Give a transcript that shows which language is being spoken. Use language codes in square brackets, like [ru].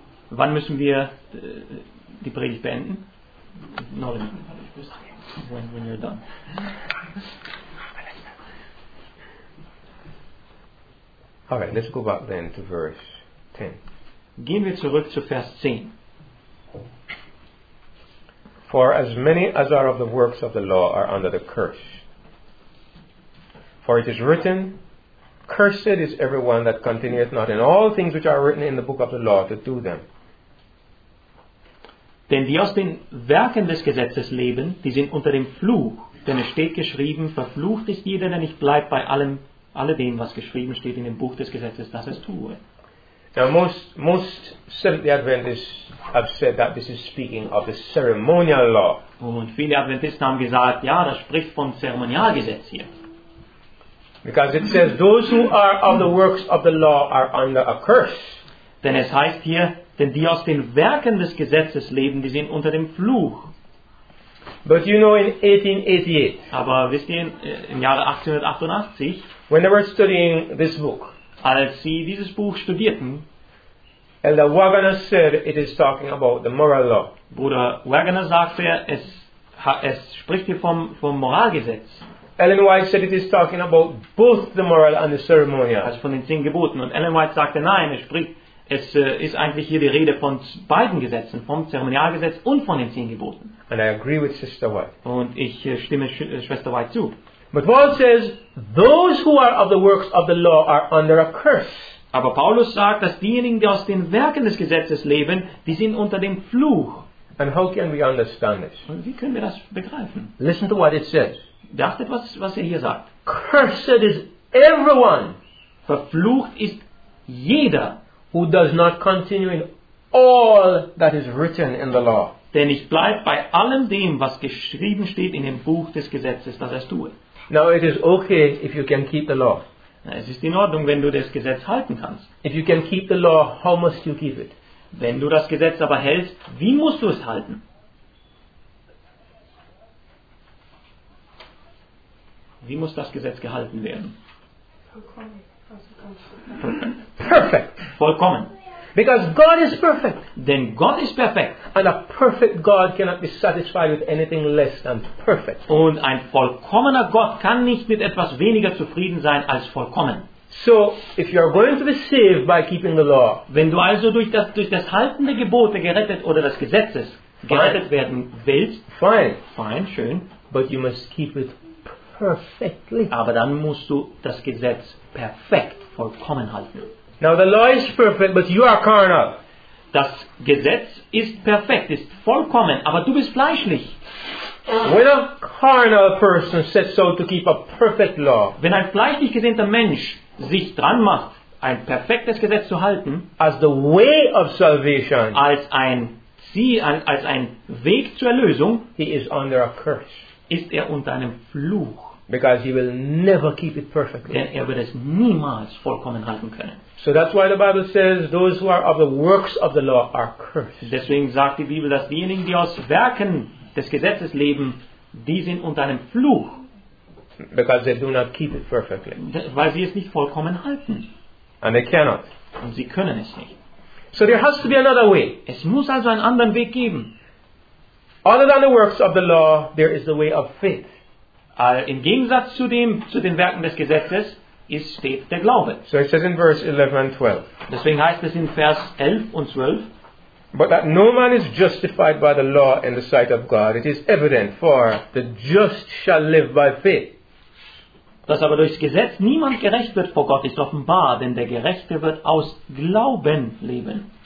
[de] Wann müssen wir die Predigt beenden? [en] When you're done. All right, let's go back then to verse 10. [de] Gehen wir zurück zu Vers 10. [en] For as many as are of the works of the law are under the curse. For it is written, cursed is everyone that continueth not in all things which are written in the book of the law to do them. [de] Denn die aus den Werken des Gesetzes leben, die sind unter dem Fluch. Denn es steht geschrieben, verflucht ist jeder, der nicht bleibt bei allem, alle dem, was geschrieben steht in dem Buch des Gesetzes, dass es tue. [en] Now most Seventh-day Adventists have said that this is speaking of the ceremonial law. [de] Und viele Adventisten haben gesagt, ja, das spricht vom Zeremonialgesetz hier. [en] Because it says those who are of the works of the law are under a curse. [de] Denn es heißt hier, denn die aus den Werken des Gesetzes leben, die sind unter dem Fluch. [en] But you know, in 1888. [de] Aber wisst ihr, im Jahre 1888. [en] When they were studying this book, [de] als sie dieses Buch studierten, [en] Elder Wagner said it is talking about the moral law. [de] Bruder Wagner sagte, es spricht hier vom Moralgesetz. [en] Ellen White said it is talking about both the moral and the ceremonial. [de] Also von den 10 Geboten. Und Ellen White sagte, nein, Es ist eigentlich hier die Rede von beiden Gesetzen, vom Zeremonialgesetz und von den Zehn Geboten. [en] And I agree with Sister White. [de] Und ich stimme Schwester White zu. [en] But Paul says, those who are of the works of the law are under a curse. [de] Aber Paulus sagt, dass diejenigen, die aus den Werken des Gesetzes leben, die sind unter dem Fluch. [en] And how can we understand this? [de] Und wie können wir das begreifen? [en] Listen to what it says. [de] Beachtet, was er hier sagt. [en] Cursed is everyone. [de] Verflucht ist jeder. [en] Who does not continue in all that is written in the law. [de] Denn ich bleibe bei allem dem, was geschrieben steht in dem Buch des Gesetzes, das er tue. [en] Now it is okay if you can keep the law. [de] Es ist in Ordnung, wenn du das Gesetz halten kannst. [en] If you can keep the law, how must you keep it? [de] Wenn du das Gesetz aber hältst, wie musst du es halten? Wie muss das Gesetz gehalten werden? [en] Perfect. [de] Vollkommen. [en] Because God is perfect. Then God is perfect. And a perfect God cannot be satisfied with anything less than perfect. [de] Und ein vollkommener Gott kann nicht mit etwas weniger zufrieden sein als vollkommen. [en] So, if you are going to be saved by keeping the law, [de] wenn du also durch das Halten der Gebote gerettet oder des Gesetzes gerettet werden willst, [en] fine, [de] schön, [en] but you must keep it perfectly. [de] Aber dann musst du das Gesetz perfekt vollkommen halten. [en] Now the law is perfect, but you are carnal. [de] Das Gesetz ist perfekt, ist vollkommen, aber du bist fleischlich. [en] When a carnal person sets out to keep a perfect law, [de] wenn ein fleischlich gesinnter Mensch sich dran macht, ein perfektes Gesetz zu halten, [en] as the way of salvation, [de] als ein Ziel, als ein Weg zur Erlösung, [en] he is under a curse. [de] Ist er unter einem Fluch. [en] Because he will never keep it perfectly. [de] Denn er wird es niemals vollkommen halten können. [en] So that's why the Bible says those who are of the works of the law are cursed. [de] Deswegen sagt die Bibel, dass diejenigen, die aus Werken des Gesetzes leben, die sind unter einem Fluch. [en] Because they do not keep it perfectly. [de] Weil sie es nicht vollkommen halten. [en] And they cannot. [de] Und sie können es nicht. [en] So there has to be another way. [de] Es muss also einen anderen Weg geben. [en] Other than the works of the law, there is the way of faith. [de] Im Gegensatz zu den Werken des Gesetzes ist steht der Glaube. [en] So it says in verse 11 and 12. [de] Deswegen heißt es in Vers 11 und 12. [en] But that no man is justified by the law in the sight of God, it is evident, for the just shall live by faith. [de] Dass aber durchs Gesetz niemand gerecht wird vor Gott, ist offenbar, denn der Gerechte wird aus Glauben leben.